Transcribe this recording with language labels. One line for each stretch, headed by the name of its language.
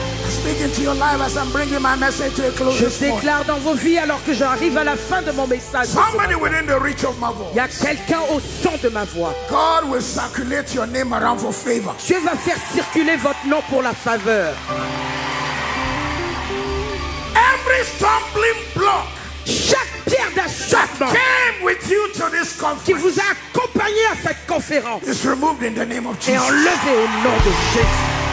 English: Speaking to your life as I'm bringing my message to a close.
French: Je déclare dans vos vies alors que j'arrive à la fin de mon message.
English: Somebody within the reach of my voice.
French: Il y a quelqu'un au son de ma voix.
English: God will circulate your name around for favor.
French: Dieu va faire circuler votre nom pour la faveur.
English: Every stumbling block.
French: Chaque pierre d'achoppement
English: came with you to this conference.
French: Qui vous a accompagné à cette conférence.
English: It's removed in the name of Jesus.
French: Et enlevé au nom de Jésus.